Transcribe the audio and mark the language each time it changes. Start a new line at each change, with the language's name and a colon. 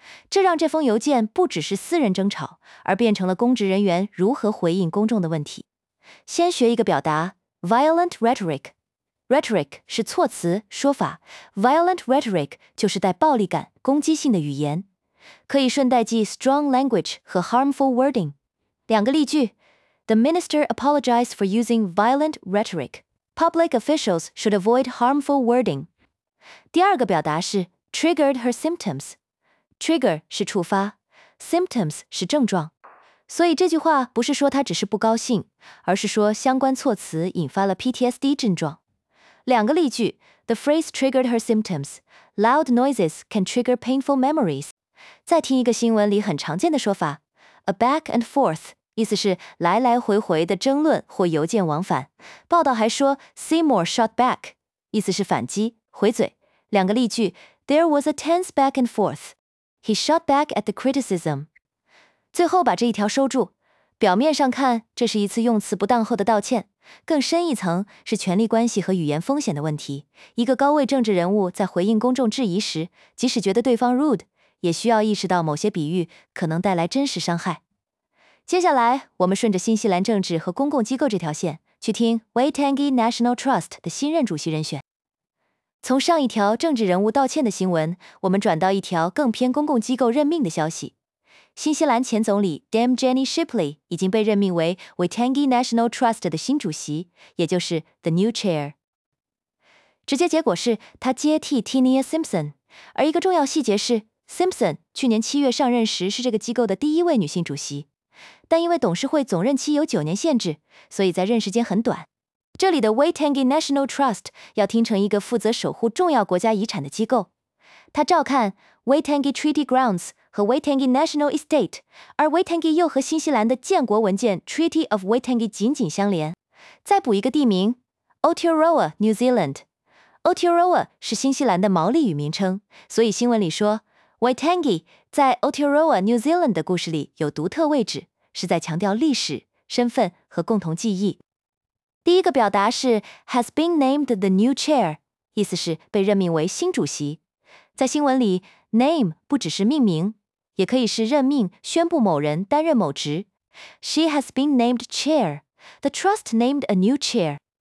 Chinese: 这让这封邮件不只是私人争吵，而变成了公职人员如何回应公众的问题。先学一个表达 Violent Rhetoric。Rhetoric 是措辞、说法， violent rhetoric 就是带暴力感、攻击性的语言，可以顺带记 strong language 和 harmful wording。两个例句
English: ：The minister apologized for using violent rhetoric. Public officials should avoid harmful wording.
Chinese: 第二个表达是 triggered her symptoms。Trigger 是触发 ，symptoms 是症状，所以这句话不是说她只是不高兴，而是说相关措辞引发了 PTSD 症状。两个例句
English: ，The phrase triggered her symptoms. Loud noises can trigger painful memories.
Chinese: 再听一个新闻里很常见的说法 ，a back and forth， 意思是来来回回的争论或邮件往返。报道还说 ，Seymour shot back， 意思是反击、回嘴。两个例句
English: ，There was a tense back and forth. He shot back at the criticism.
Chinese: 最后把这一条收住。表面上看，这是一次用词不当后的道歉。更深一层是权力关系和语言风险的问题。一个高位政治人物在回应公众质疑时，即使觉得对方 rude， 也需要意识到某些比喻可能带来真实伤害。接下来，我们顺着新西兰政治和公共机构这条线，去听 Waitangi National Trust 的新任主席人选。从上一条政治人物道歉的新闻，我们转到一条更偏公共机构任命的消息。新西兰前总理 Dame Jenny Shipley 已经被任命为 Waitangi National Trust 的新主席，也就是 The New Chair。直接结果是他接替 Tinia Simpson， 而一个重要细节是 Simpson 去年七月上任时是这个机构的第一位女性主席，但因为董事会总任期有9年限制，所以在任时间很短。这里的 Waitangi National Trust 要听成一个负责守护重要国家遗产的机构。它照看 Waitangi Treaty Grounds 和 Waitangi National Estate， 而 Waitangi 又和新西兰的建国文件 Treaty of Waitangi 紧紧相连。再补一个地名 Aotearoa, New Zealand。Aotearoa 是新西兰的毛利语名称，所以新闻里说 Waitangi 在 Aotearoa, New Zealand 的故事里有独特位置，是在强调历史、身份和共同记忆。第一个表达是
English: has been named the new chair，
Chinese: 意思是被任命为新主席。在新闻里 name 不只是命名，也可以是任命、宣布某人担任某职。
English: She has been named chair. The trust named a new chair.